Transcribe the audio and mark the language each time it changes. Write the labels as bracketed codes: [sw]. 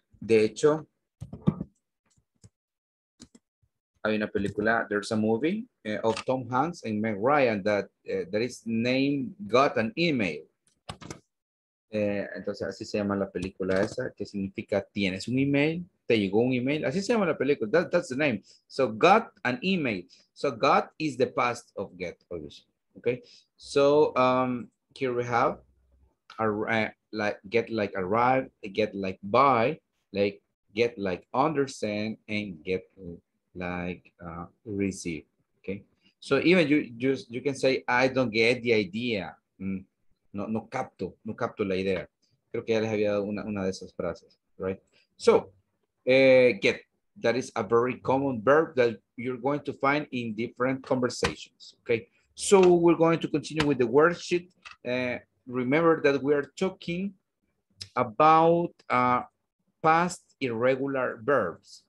[es] De hecho, hay una película, [en] there's a movie of Tom Hanks and Meg Ryan that that is named Got an Email. [es] Entonces, así se llama la película esa, que significa tienes un email, te llegó un email. Así se llama la película, [en] that's the name. So, got an email. So, got is the past of get, obviously. Okay, so here we have like get like arrive, get like buy, like get like understand, and get like receive. Okay, so even you can say I don't get the idea. [es] No capto la idea. Creo que ya les había dado una de esas frases, right? [en] So get, that is a very common verb that you're going to find in different conversations. Okay. So we're going to continue with the worksheet. Remember that we are talking about past irregular verbs.